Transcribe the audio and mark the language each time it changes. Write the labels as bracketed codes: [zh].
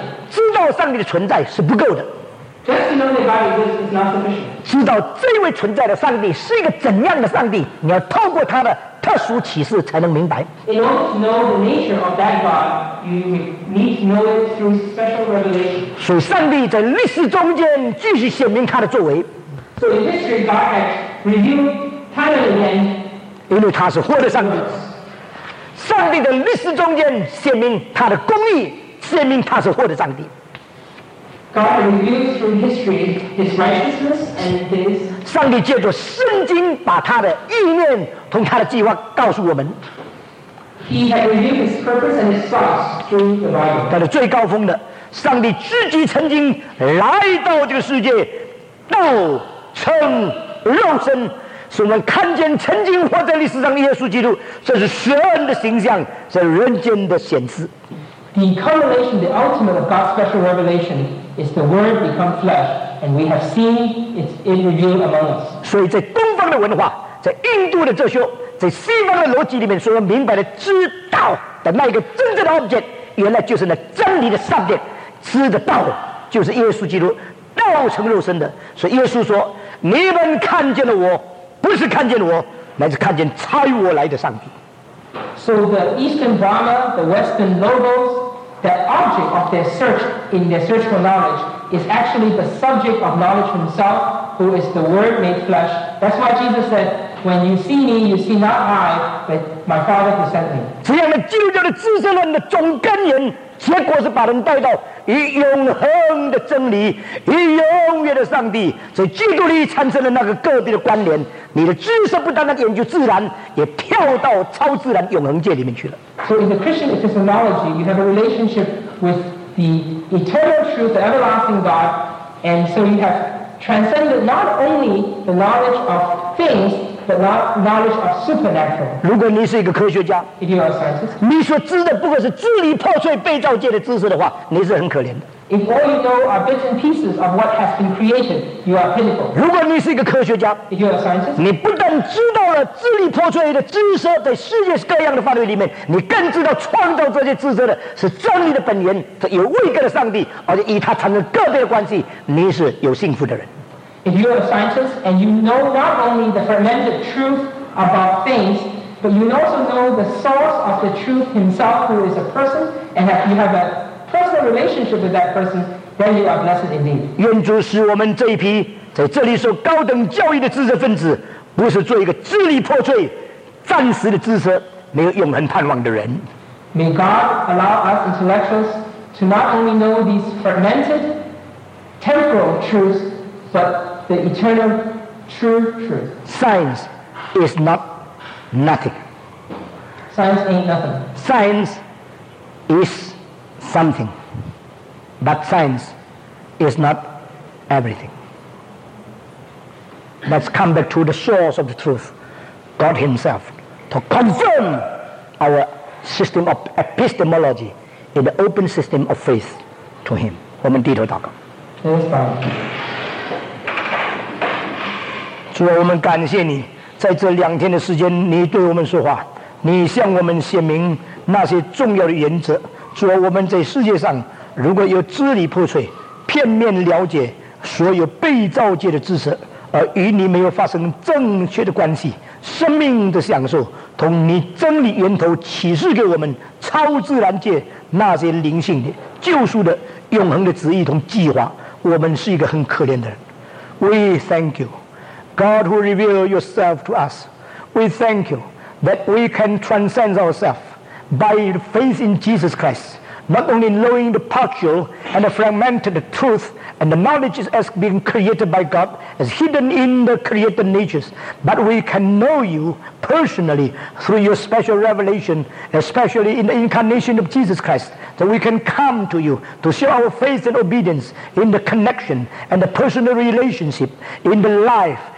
[zh] 知道上帝的存在是不够的。 [en] Just to know that God exists is not sufficient. [zh] 知道这位存在的上帝是一个怎样的上帝，你要透过他的特殊启示才能明白。 [en] In order to know the nature of that God, you need to know it through special revelation. [zh] 所以上帝在历史中间继续显明他的作为。 [en] So in history, God has revealed time and again. [zh] 因为他是活的上帝。上帝在历史中间显明他的公义，显明他是活的上帝。 [en] God reveals through history His righteousness and His. [zh] 上帝借着圣经把他的意念同他的计划告诉我们。 [en] He has revealed His purpose and His thoughts through the Bible. [zh] 但是最高峰的，上帝自己曾经来到这个世界，道成肉身，使我们看见曾经活在历史上的耶稣基督，这是神的形象，是人间的显示。 [en] The culmination, the ultimate of God's special revelation is the Word become flesh, and we have seen its in revealed among us. [zh] 所以在东方的文化，在印度的哲学，在西方的逻辑里面，所要明白的知道的那一个真正的 object， 原来就是那真理的 subject， 知的道就是耶稣基督，道成肉身的。所以耶稣说：“你们看见了我，不是看见我，乃是看见差我来的上帝。” [en] So the Eastern Brahma, the Western Logos, the object of their search in their search for knowledge is actually the subject of knowledge himself, who is the Word made flesh. That's why Jesus said. When you see me, you see not I, but my Father who sent me. [zh] 这样的基督教的知识论的总根源，结果是把人带到以永恒的真理、以永远的上帝，所以基督里产生了那个个别的关联。你的知识不单单研究自然，也跳到超自然永恒界里面去了。 [en] So in the Christian epistemology, you have a relationship with the eternal truth, the everlasting God, and so you have transcended not only the knowledge of things. The knowledge of supernatural. [zh] 如果你是一个科学家， [en] If you are a scientist, [zh] 你所知的不过是支离破碎被造界的知识的话，你是很可怜的。 [en] If all you know are bits and pieces of what has been created, you are pitiful. [zh] 如果你是一个科学家， [en] If you are a scientist, [zh] 你不但知道了支离破碎的知识在世界各样的范围里面，你更知道创造这些知识的是真理的本源，是有位格的上帝，而且与他产生个别的关系，你是有幸福的人。 [en] If you are a scientist and you know not only the fermented truth about things, but you also know the source of the truth himself who is a person and that you have a personal relationship with that person, then you are blessed indeed. [zh] 愿主使我们这一批在这里受高等教育的知识分子，不是做一个支离破碎、暂时的知识、没有永恒盼望的人。 [en] May God allow us intellectuals to not only know these fermented temporal truths,But the eternal true truth. Science is not nothing. Science ain't nothing. Science is something. But science is not everything. Let's come back to the source of the truth, God Himself, to confirm our system of epistemology in the open system of faith to Him. [zh] 我们低头祷告。 [en] Yes, Father. [zh] 主啊，我们感谢你，在这两天的时间，你对我们说话，你向我们显明那些重要的原则。主啊，我们在世界上如果有支离破碎、片面了解所有被造界的知识，而与你没有发生正确的关系，生命的享受同你真理源头启示给我们超自然界那些灵性的救赎的永恒的旨意同计划，我们是一个很可怜的人。 [en] We thank you. God who revealed yourself to us, we thank you that we can transcend ourselves by faith in Jesus Christ, not only knowing the partial and the fragmented truth and the knowledge as being created by God, as hidden in the created natures, but we can know you personally through your special revelation, especially in the incarnation of Jesus Christ, that we can come to you to show our faith and obedience in the connection and the personal relationship, in the life,